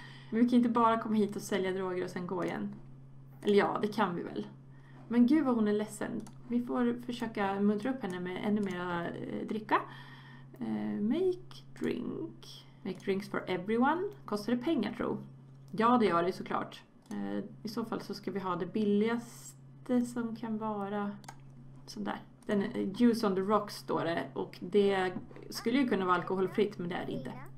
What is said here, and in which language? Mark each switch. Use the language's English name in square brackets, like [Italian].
[Swedish] Men vi kan inte bara komma hit och sälja droger och sen gå igen. Eller ja, det kan vi väl. Men gud vad hon är ledsen. Vi får försöka muntra upp henne med ännu mer dricka. [English] Make drinks for everyone. [Swedish] Kostar det pengar tro? Ja, det gör det såklart. I så fall så ska vi ha det billigaste som kan vara sådär. Den Juice on the Rocks står det. Och det skulle ju kunna vara alkoholfritt, men det är det inte.